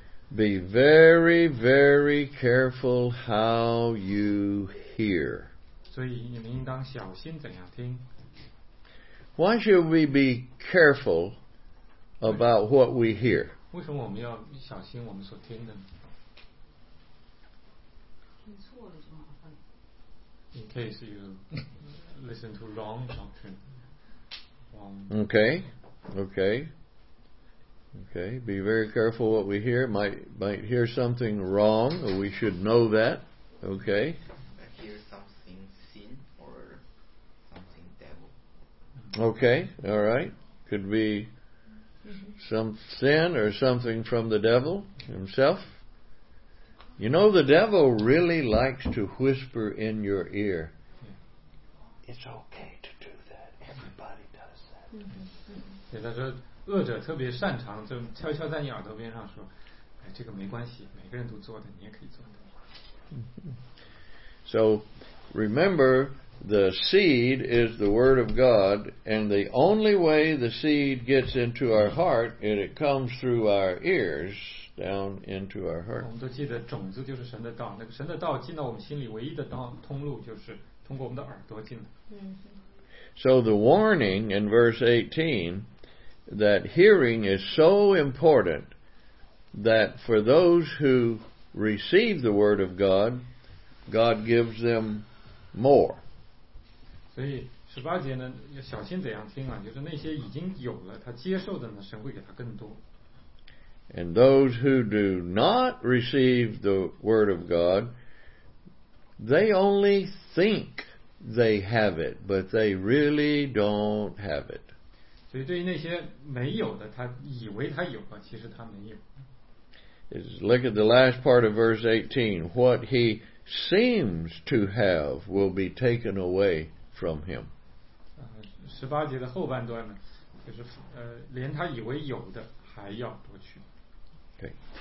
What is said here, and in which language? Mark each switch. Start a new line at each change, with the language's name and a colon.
English: be very, very careful how you hear.
Chinese: 所以你们应当小心怎样听。
English: Why should we be careful about what we hear?
Chinese: 为什么我们要小心我们所听的? 听错了就麻烦。
English: In case you listen to wrong doctrine. Okay, be very careful what we hear. Might hear something wrong, or we should know that. Okay. I hear something sin or something devil. Okay, all right. Could be some sin or something from the devil himself. You know, the devil really likes to whisper in your ear. It's okay to do that. Everybody does that. Yeah, that's it.
Chinese: 恶者特别擅长就悄悄在你耳朵边上说, 哎, 这个没关系, 每个人都做的, 你也可以做的。
English: So remember, the seed is the word of God, and the only way the seed gets into our heart is it comes through our ears down into our heart.
Chinese: 我们都记得种子就是神的道, 那个神的道进到我们心里, 唯一的道通路, 就是通过我们的耳朵进的。
English: So the warning in verse 18, that hearing is so important that for those who receive the word of God, God gives them more.
Chinese: 所以18节呢, 要小心怎样听啊, 就是那些已经有了, 他接受的呢, 神会给他更多。
English: And those who do not receive the word of God, they only think they have it, but they really don't have it.
Chinese: 所以对于那些没有的, 他以为他有, 其实他没有。
English: Look at the last part of verse 18. What he seems to have will be taken away from him.
Chinese: 18节的后半段呢, 就是, 连他以为有的, 还要夺取。
English: Okay.